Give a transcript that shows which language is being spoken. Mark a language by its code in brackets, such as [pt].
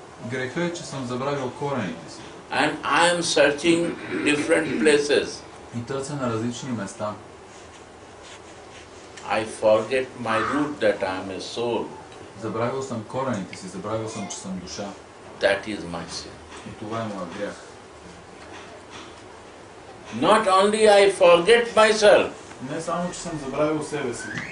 [bg] Греха е, че съм забравил корените си. [en] And I am searching different places. [bg] И търся на различни места. [en] I forget my root that I am a soul. [bg] Забравил съм корените си, забравил съм, че съм душа. [en] That is my sin. [bg] И това е моя грях. [en] Not only I forget myself. [bg] Не само, че съм забравил себе си.